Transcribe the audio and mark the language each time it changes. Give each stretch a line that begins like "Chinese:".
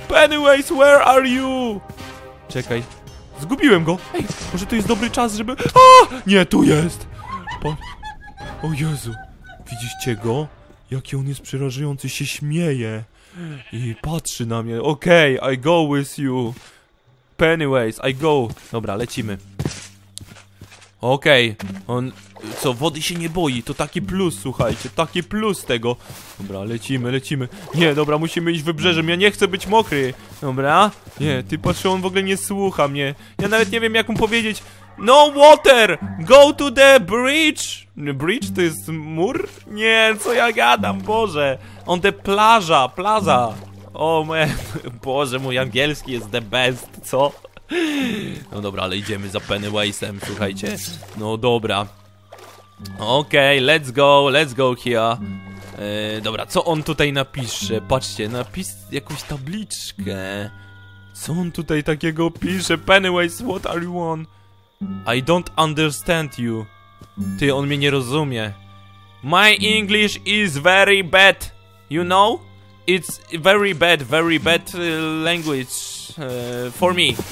English: Pennywise, where are you?
Polish: Czekaj, zgubiłem go. Ej, może to jest dobry czas, żeby... A! Nie, tu jest. O Jezu, widzicie go? Jaki on jest przerażający, się śmieje. I patrzy na mnie. Okej, okay,
English: I go with you.
Polish: Pennywise,
English: I go.
Polish: Dobra, lecimy. Okej, okay, on... Co, wody się nie boi, to taki plus, słuchajcie. Taki plus tego. Dobra, lecimy. Nie, dobra, musimy iść wybrzeżem, ja nie chcę być mokry. Dobra, nie, ty patrz, on w ogóle nie słucha mnie. Ja nawet nie wiem, jak mu powiedzieć.
English: No water, go to the bridge.
Polish: Bridge to jest mur? Nie, co ja gadam, Boże.
English: On the plaza.
Polish: O, Boże, mój angielski jest
English: the best,
Polish: co? No dobra, ale idziemy za Pennywise'em, słuchajcie. No dobra. Okej, okay,
English: let's go here.
Polish: Dobra, co on tutaj napisze? Patrzcie, napis jakąś tabliczkę. Co on tutaj takiego pisze?
English: Pennywise, what are you on? I don't understand you.
Polish: Ty, on mnie nie rozumie.
English: My English is very bad. You know? It's very bad language for me.